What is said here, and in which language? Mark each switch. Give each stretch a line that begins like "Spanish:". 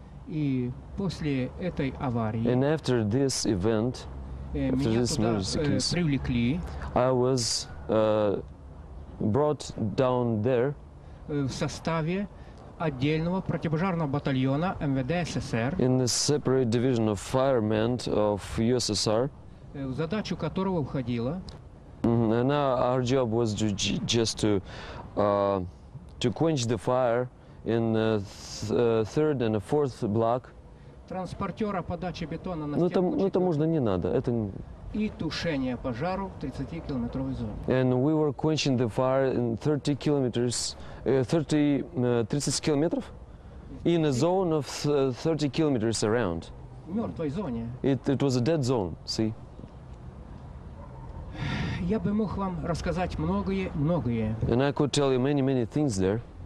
English: And after this event, after this emergency case, I was brought down there.
Russian: Отдельного противопожарного батальона МВД СССР.
English: In the separate division of firemen of USSR.
Russian: В задачу которого входило.
English: And our job was to quench the fire in the third and the fourth block.
Russian: Транспортера подачи бетона на стенку. Ну это можно не надо. Это и тушение пожара в 30-километровой зоне.
English: And we were quenching the fire in 30 kilometers, 30 kilometers in a zone of 30 kilometers around.
Russian: Мертвой зоне.
English: It was a dead zone, see?
Russian: Я бы мог вам рассказать многое.
English: And I could tell you many things there.